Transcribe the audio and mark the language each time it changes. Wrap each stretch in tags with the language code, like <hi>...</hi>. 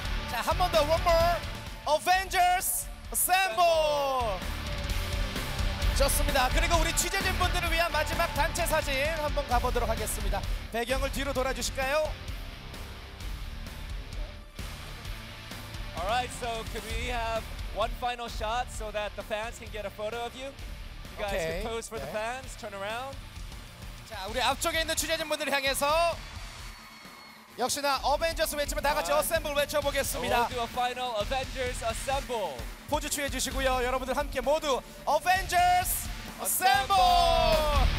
<ko>자, 한 번 더.</ko> <en>One more. Avengers Assemble.</en> <ko>좋습니다. 그리고 우리 취재진분들을 위한 마지막 단체 사진 한번 가보도록 하겠습니다. 배경을 뒤로 돌아주실까요?</ko> <en>Alright, so could we have one final shot so that the fans can get a photo of you? You guys okay. can pose for the fans, turn around.</en> <ko>자, 우리 앞쪽에 있는 취재진분들을 향해서 역시나 어벤져스 외치면 다 같이 어셈블 외쳐보겠습니다.</ko> <en>We'll do a final Avengers Assemble.</en> <ko>포즈 취해 주시고요. 여러분들 함께 모두</ko> <en>Avengers Assemble!</en>